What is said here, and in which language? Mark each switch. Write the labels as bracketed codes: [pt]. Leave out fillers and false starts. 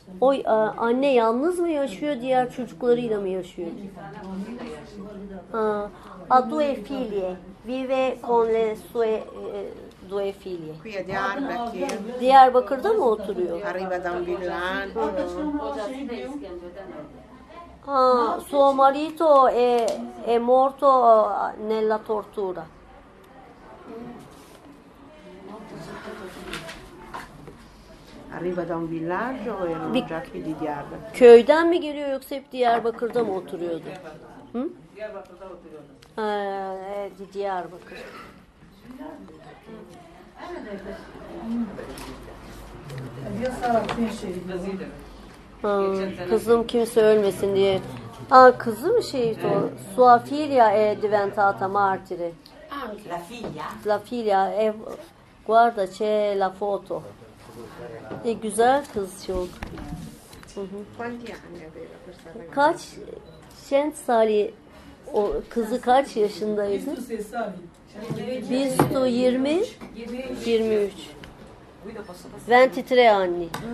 [tr] Oy, anne yalnız mı yaşıyor, diğer çocuklarıyla mı yaşıyor? [it] Ha, a due figlie, vive con le sue due figlie. Qui a Diyarbakır. [tr] Diyarbakır'da mı oturuyor? [it] Arriva da un villaggio. Ha, suo marito è morto nella tortura. Arriva da un villaggio o erano già qui di Diyarbakır? [tr] Köyden mi geliyor yoksa hep Diyarbakır'da mı oturuyordu? Hı? Diyarbakır'da oturuyordu. Evet, Diyarbakır. Kızım kimse ölmesin diye Ah, kızı mı şehit o? [it] Sua figlia è diventata martire. Anche la figlia? La figlia è guarda c'è la foto. [tr] E güzel kız çok. [it] Quanti anni aveva questa ragazza? [tr] Kaç centsali o kızı kaç yaşındaydı? 20 23. [it] 23 anni.